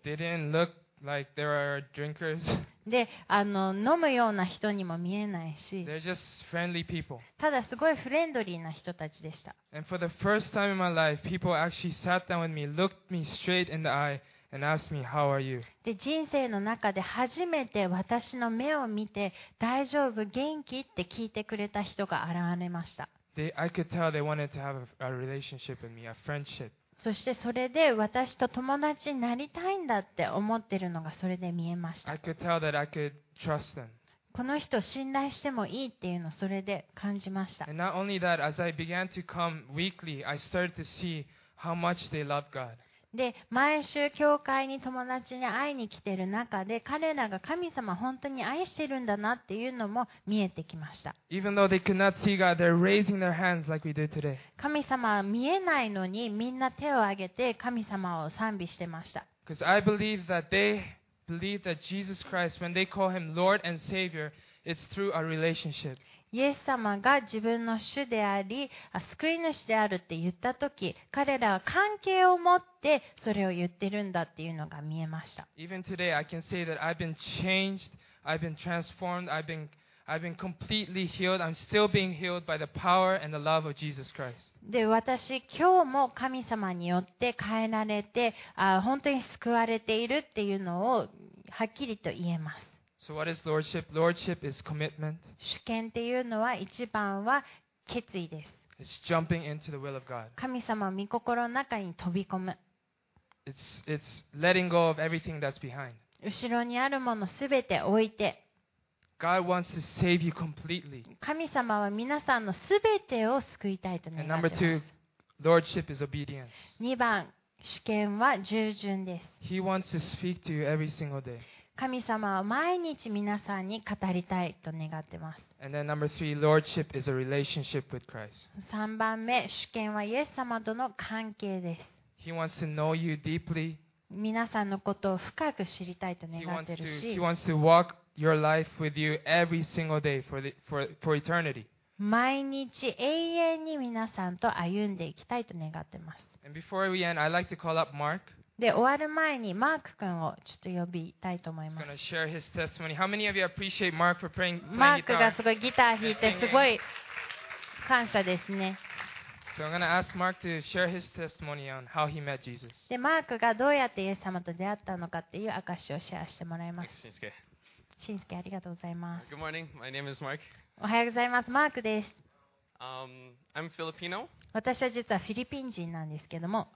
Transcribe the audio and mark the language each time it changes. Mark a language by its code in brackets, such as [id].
[en] They didn't look like they were drinkers. [ja] で、飲むような人にも見えないし。 [en] They're just friendly people. [ja] ただすごいフレンドリーな人たちでした。 [en] And for the first time in my life, people actually sat down with me, looked me straight in the eye, and asked me, How are you? [ja] で、人生の中で初めて私の目を見て、大丈夫、元気って聞いてくれた人が現れました。 [en] I could tell they wanted to have a relationship with me, a friendship. [ja] そしてそれで私と友達になりたいんだって思ってるのがそれで見えました。 [en] I could tell that I could trust them. [ja] この人を信頼してもいいっていうのをそれで感じました。 [en] And not only that, as I began to come weekly, I started to see how much they love God. [ja] で、毎週教会に友達に会いに来てる中で、彼らが神様を本当に愛してるんだなっていうのも見えてきました。 [en] Even though they could not see God, they're raising their hands like we did today. [ja] 神様は見えないのにみんな手を挙げて神様を賛美してました。 [en] Because I believe that they believe that Jesus Christ, when they call him Lord and Savior, it's through a relationship. [ja] イエス様が自分の主であり、救い主であるって言ったとき、彼らは関係を持ってそれを言ってるんだっていうのが見えました。 [en] Even today, I can say that I've been changed, I've been transformed, I've been completely healed, I'm still being healed by the power and the love of Jesus Christ. [ja] で、私、今日も神様によって変えられて、本当に救われているっていうのをはっきりと言えます。 [en] So what is lordship? Lordship is commitment. [ja] 主権っていうのは一番は決意です。 [en] It's jumping into the will of God. [ja] 神様の御心の中に飛び込む。 [en] It's letting go of everything that's behind. [ja] 後ろにあるものすべて置いて。 [en] God wants to save you completely. [ja] 神様は皆さんのすべてを救いたいと願っています。 [en] And number two, lordship is obedience. [ja] 二番、主権は従順です。 [en] He wants to speak to you every single day. [ja] 神様は毎日皆さんに語りたいと願ってます。 [en] And then number three, lordship is a relationship with Christ. [ja] 三番目、主権はイエス様との関係です。 [en] He wants to know you deeply. [ja] 皆さんのことを深く知りたいと願ってるし、 [en] He wants to walk your life with you every single day for eternity. [ja] 毎日永遠に皆さんと歩んでいきたいと願ってます。 [en] And before we end, I'd like to call up Mark. [ja] で、終わる前にマーク君をちょっと呼びたいと思います。 [en] He's gonna share his testimony. How many of you appreciate Mark for playing guitar? [ja] マークがすごいギター弾いてすごい感謝ですね。 [en] So I'm gonna ask Mark to share his testimony on how he met Jesus. [ja] で、マークがどうやってイエス様と出会ったのかっていう証をシェアしてもらいます。シンスケ。シンスケ、ありがとうございます。 [en] Good morning. My name is Mark. [ja] おはようございます。マークです。 [en] I'm Filipino. [ja] 私は実はフィリピン人なんですけども。